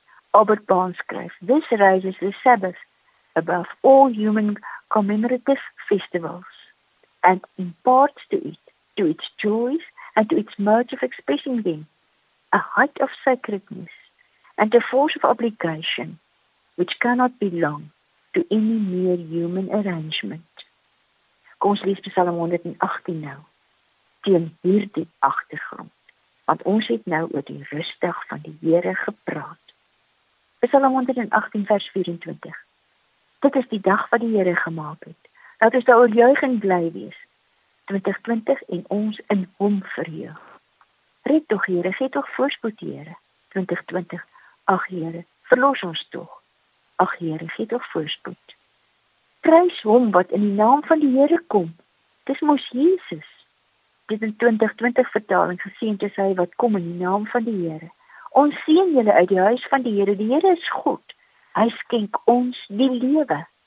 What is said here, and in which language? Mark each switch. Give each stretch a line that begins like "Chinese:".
English: Albert Bond skryf, "This raises the Sabbath above all human commemorative festivals and imparts to it, to its joys and to its modes of expressing them, a height of sacredness, and a force of obligation which cannot belong to any mere human arrangement.
Afrikaans: Kom ons lees Psalm 118 nou, teen hierdie agtergrond, want ons het nou oor die rustdag van die Here gepraat. Psalm 118 vers 24. Dit is die dag wat die Here gemaak het. Laat ons daaroor juig en bly wees. 2020 en ons in hom verheug. Red tog Here, gee tog voorspoed Here. 2020. Ag Here, verlos ons tog. Ag Here, gee tog voorspoed. Prys hom wat in die naam van die Here kom. Dis mos Jesus. Dit is 2020 vertaling geseend is hy wat kom in die naam van die Here. Ons seën julle uit die huis van die Here. Die Here is goed. Hy skenk ons die lewe.